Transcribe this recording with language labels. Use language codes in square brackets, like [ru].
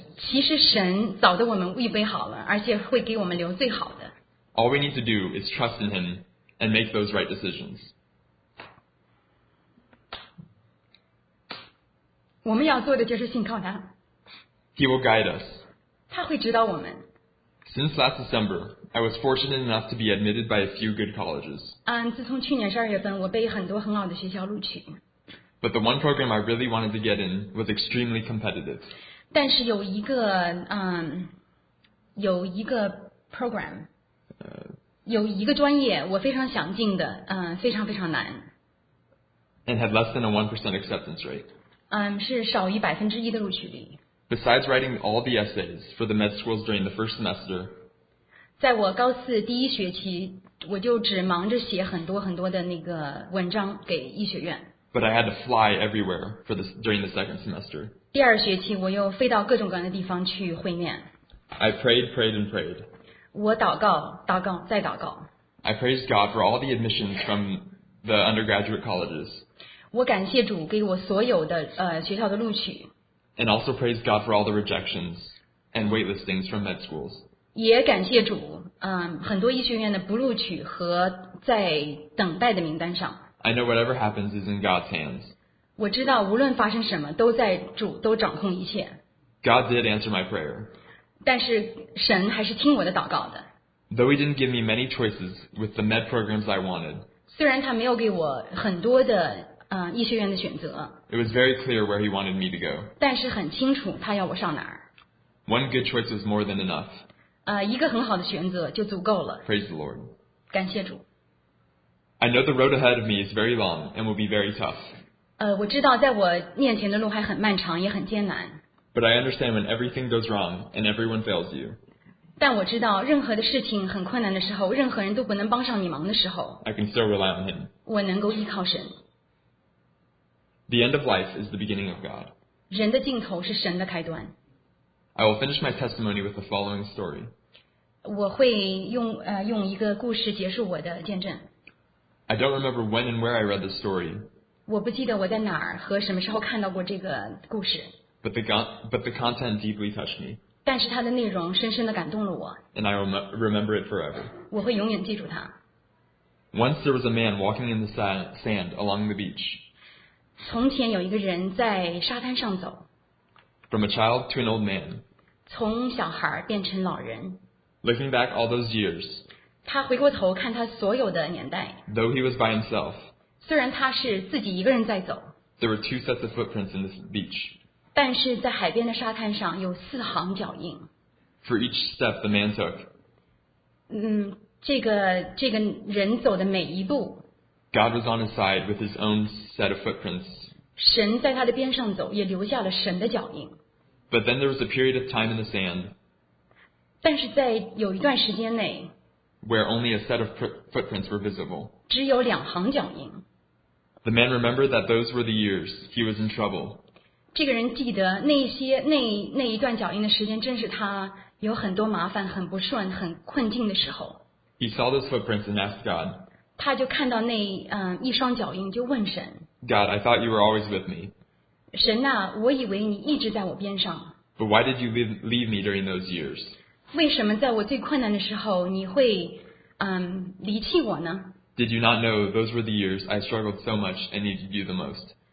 [zh] 其实神早都我们预备好了，而且会给我们留最好的。 [en] All we need to do is trust in Him and make those right decisions. [zh] 我们要做的就是信靠他。 [en] He will guide us. [zh] 他会指导我们。 [en] Since last December, I was fortunate enough to be admitted by a few good colleges. [zh] 自从去年12月份，我被很多很好的学校录取。 [en] But the one program I really wanted to get in was extremely competitive. [zh] 但是有一个有一个 program, 有一个专业我非常想进的，非常非常难。 [en] And had less than a 1% acceptance rate. [zh] 是少于1%的录取率。 [en] Besides writing all the essays for the med schools during the first semester, [zh] 在我高四第一学期，我就只忙着写很多很多的那个文章给医学院。 [en] But I had to fly everywhere for this during the second semester. [zh] 第二学期我又飞到各种各样的地方去会面。 [en] I prayed, prayed, and prayed. [zh] 我祷告，祷告，再祷告。 [en] I praised God for all the admissions from the undergraduate colleges. [zh] 我感谢主给我所有的学校的录取。 [en] And also praised God for all the rejections and waitlistings from med schools. [zh] 也感谢主，很多医学院的不录取和在等待的名单上。 [en] I know whatever happens is in God's hands. [zh] 我知道无论发生什么都在主都掌控一切。 [en] God did answer my prayer. [zh] 但是神还是听我的祷告的。 [en] Though he didn't give me many choices with the med programs I wanted. [zh] 虽然他没有给我很多的医学院的选择。 [en] It was very clear where he wanted me to go. [zh] 但是很清楚他要我上哪儿。 [en] One good choice was more than enough. [zh] 一个很好的选择就足够了。 [en] Praise the Lord. [zh] 感谢主。 [en] I know the road ahead of me is very long and will be very tough. [zh] 我知道在我面前的路还很漫长，也很艰难。 [en] But I understand when everything goes wrong and everyone fails you. [zh] 但我知道任何的事情很困难的时候，任何人都不能帮上你忙的时候。 [en] I can still rely on Him. [zh] 我能够依靠神。 [en] The end of life is the beginning of God. [zh] 人的尽头是神的开端。 [en] I will finish my testimony with the following story. [zh] 我会用一个故事结束我的见证。 [en] I don't remember when and where I read the story. [zh] 我不记得我在哪儿和什么时候看到过这个故事。 [en] But the content deeply touched me. [zh] 但是它的内容深深地感动了我。 [en] And I remember it forever. [zh] 我会永远记住它。 [en] Once there was a man walking in the sand along the beach. [zh] 从前有一个人在沙滩上走。 [en] From a child to an old man. [zh] 从小孩变成老人。 [en] Looking back all those years. [zh] 他回过头看他所有的年代。 [en] Though he was by himself, [zh] 虽然他是自己一个人在走。 [en] There were two sets of footprints in this beach. [zh] 但是在海边的沙滩上有四行脚印。 [en] For each step the man took, [zh] 这个人走的每一步。 [en] God was on his side with his own set of footprints. [zh] 神在他的边上走，也留下了神的脚印。 [en] But then there was a period of time in the sand. [zh] 但是在有一段时间内。 [en] Where only a set of footprints were visible. [zh] 只有两行脚印。 [en] The man remembered that those were the years he was in trouble. [zh] 这个人记得那一段脚印的时间正是他有很多麻烦很不顺很困境的时候。 [en] He saw those footprints and asked God. [zh] 他就看到那一双脚印就问神。 [en] God, I thought you were always with me. [zh] 神啊，我以为你一直在我边上。 [en] But why did you leave me during those years? [zh] 为什么在我最困难的时候你会离弃我呢 [en] ？Did you not know those were the years I struggled so much and needed you the most？